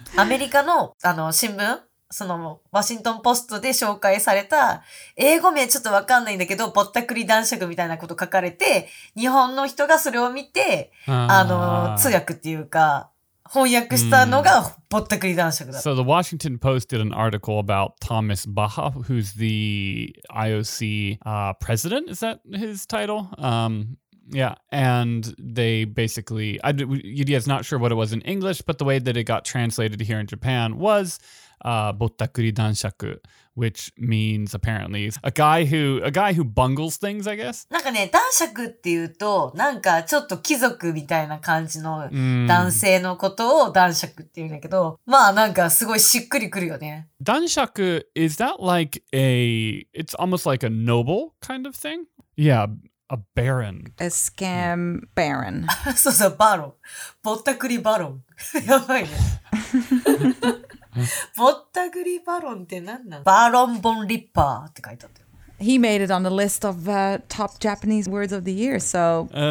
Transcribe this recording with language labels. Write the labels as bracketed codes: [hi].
[ja] アメリカの、あの、新聞？そのワシントンポストで紹介された英語名ちょっとわかんないんだけどぼったくり男爵みたいなこと書かれて日本の人がそれを見て、あの通訳っていうか翻訳したのがぼったくり男爵だ。 [en] So the Washington Post did an article about Thomas Baha, who's the IOC president. Is that his title? Yeah, and they basically, Yurie is not sure what it was in English, but the way that it got translated here in Japan was bottakuri danshaku, which means apparently a guy who bungles things, I guess. [ja] なんかね、男爵っていうと、なんかちょっと貴族みたいな感じの男性のことを男爵っていうんだけど、まあなんかすごいしっくりくるよね。 [en] Danshaku, is that like a, it's almost like a noble kind of thing? Yeah. A baron. A scam baron. [ja] そうそう、バロン。ぼったくりバロン。やばいね。ぼったくりバロンってなんなん？バロンボンリッパーって書いてあったよ。 [en] He made it on the list of top Japanese words of the year, so...